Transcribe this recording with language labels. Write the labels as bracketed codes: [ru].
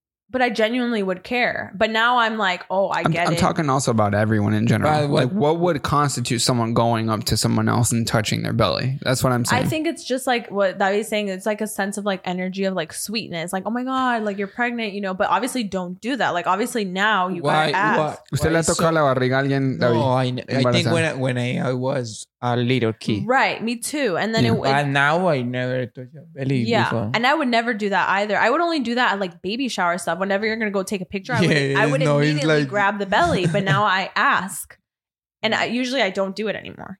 [en] But I genuinely would care. But now I'm like, oh, I get it. I'm talking also about everyone in general. Right, like what would constitute someone going up to someone else and touching their belly? That's what I'm saying. I think it's just like what Davi's saying. It's like a sense of like energy of like sweetness. Like, oh my God, like you're pregnant, you know. But obviously don't do that. Like obviously now you got to ask. [es] ¿Usted le ha tocado la barriga a alguien, Davi? [en] No, I think when I was a little kid. Right, me too. And then But now I never touch a belly before. And I would never do that either. I would only do that at like baby shower stuff. Whenever you're gonna go take a picture, I would immediately grab the belly. But now I ask, and I usually don't do it anymore.